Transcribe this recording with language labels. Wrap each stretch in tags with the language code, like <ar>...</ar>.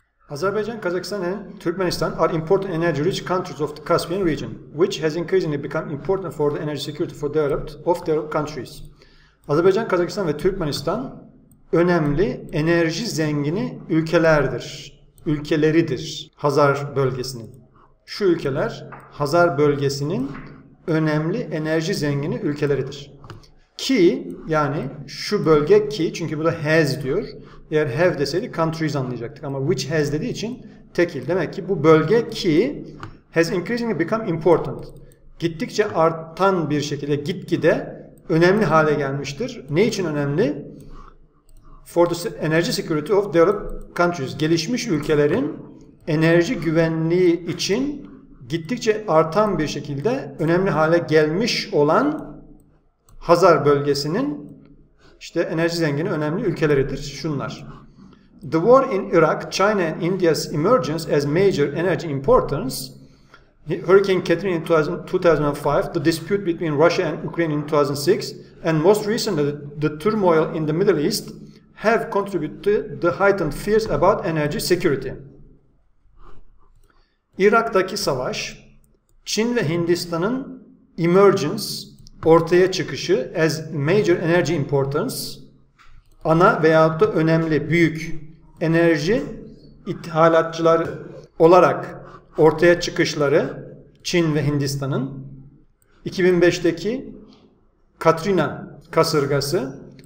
<en>Azerbaijan, Kazakhstan and Turkmenistan are important energy-rich countries of the Caspian region, which has increasingly become important for the energy security for developed countries.</en> <tr>Azerbaijan, Kazakhstan ve Turkmenistan önemli enerji zengini ülkelerdir, ülkeleridir Hazar bölgesinin. Şu ülkeler Hazar bölgesinin önemli enerji zengini ülkeleridir. Ki, yani şu bölge ki, çünkü bu da has diyor. Eğer have deseydi countries anlayacaktık ama</tr> <en>which has</en> <tr>dediği için tekil. Demek ki bu bölge ki</tr> <en>has increasingly become important.</en> <tr>Gittikçe artan bir şekilde gitgide önemli hale gelmiştir. Ne için önemli?</tr> <en>For the energy security of developed countries.</en> <tr>Gelişmiş ülkelerin enerji güvenliği için gittikçe artan bir şekilde önemli hale gelmiş olan Hazar bölgesinin işte enerji zengini önemli ülkeleridir. Şunlar.</tr> <en>The war in Iraq, China and India's emergence as major energy importers. Hurricane Katrina in 2005, the dispute between Russia and Ukraine in 2006, and most recently the turmoil in the Middle East have contributed to the heightened fears about energy security.</en> <tr>Irak'taki savaş, Çin ve Hindistan'ın emergence, ortaya çıkışı</tr> <en>as major energy importers,</en> <tr>ana veyahut da önemli, büyük enerji ithalatçılar olarak ortaya çıkışları Çin ve Hindistan'ın 2005'teki Katrina kasırgası,</tr>